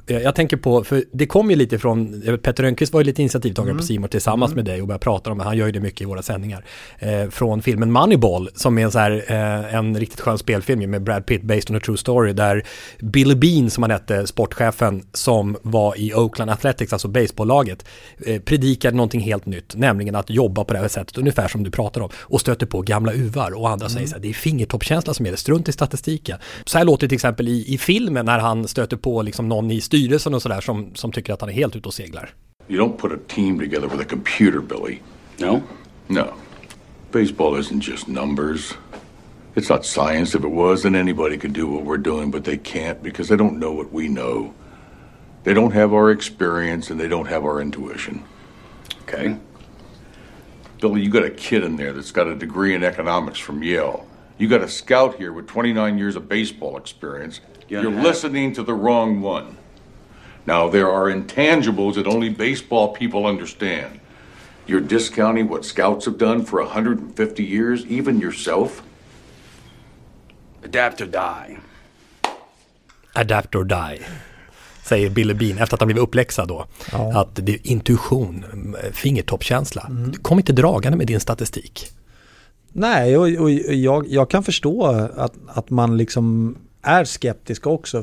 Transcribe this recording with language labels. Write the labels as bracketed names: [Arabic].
[Swedish] Jag tänker på, för det kom ju lite från, Petter Rönnqvist var ju lite initiativtagare på C-more tillsammans med dig och började prata om det, han gör ju det mycket i våra sändningar, från filmen Moneyball, som är en riktigt skön spelfilm med Brad Pitt, [English] based on a true story, [Swedish] där Billy Bean, som han hette, sportchefen som var i Oakland Athletics, alltså baseballlaget, predikade någonting helt nytt, nämligen att jobba på det här sättet ungefär som du pratar om, och stöter på gamla uvar, och andra säger såhär, det är fingertoppkänsla som är det, strunt i statistiken. Så här låter det till exempel i filmen när han stöter på liksom någon i styrelsen och sådär som tycker att han är helt ute och seglar. [English] You don't put a team together with a computer, Billy. No? No. Baseball isn't just numbers. It's not science. If it was, then anybody could do what we're doing, but they can't because they don't know what we know. They don't have our experience and they don't have our intuition. Okay. Okay. Billy, you got a kid in there that's got a degree in economics from Yale. You got a scout here with 29 years of baseball experience. You're listening to the wrong one. Now, there are intangibles that only baseball people understand. You're discounting what scouts have done for 150 years, even yourself? Adapt or die. Adapt or die, [Swedish] säger Billy Bean efter att han blivit uppläxad då. Ja. Att det är intuition, fingertoppkänsla. Mm. Kom inte dragande med din statistik. Nej, och jag kan förstå att man liksom är skeptisk också.